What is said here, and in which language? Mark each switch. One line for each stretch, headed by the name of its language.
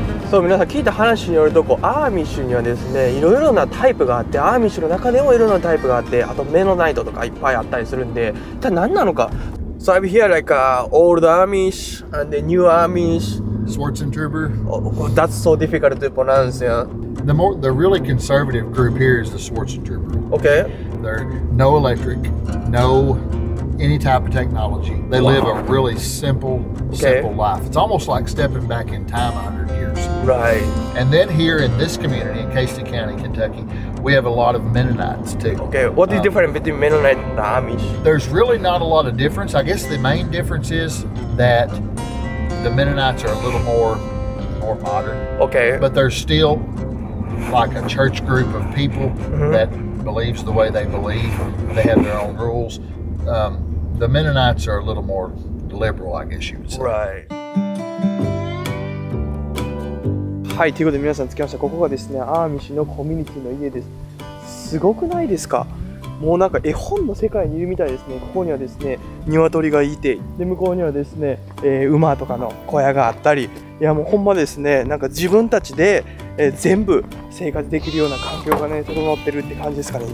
Japanese: そう、皆さん聞いた話によると、こうアーミッシュにはですね、いろいろなタイプがあって、アーミッシュの中でもいろいろなタイプがあって、あとメノナイトとかいっぱいあったりするんで、一体何なのか。
English: So I'm here like old Amish and the new Amish. Schwarzentruber. That's so difficult to pronounce, yeah. The really conservative group here is the Schwarzentruber. Okay. They're no electric, no any type of technology. They live a really simple, simple life. It's almost like stepping back in time 100 years. Right. And then here in this community, in Casey County, Kentucky, we have a lot of Mennonites too. Okay, what's the difference between Mennonite and Amish? There's really not a lot of difference. I guess the main difference is that the Mennonites are a little more modern. Okay. But there's still like a church group of people that believes the way they believe. They have their own rules. The Mennonites are a little more liberal, I guess you would say. Right.
Japanese: はい、ということで皆さん着きました。ここがですね、アーミッシュのコミュニティの家です。すごくないですか？もうなんか絵本の世界にいるみたいですね。ここにはですね、鶏がいて、で向こうにはですね、馬とかの小屋があったり、いやもうほんまですね、なんか自分たちで、全部生活できるような環境がね、整ってるって感じですかね。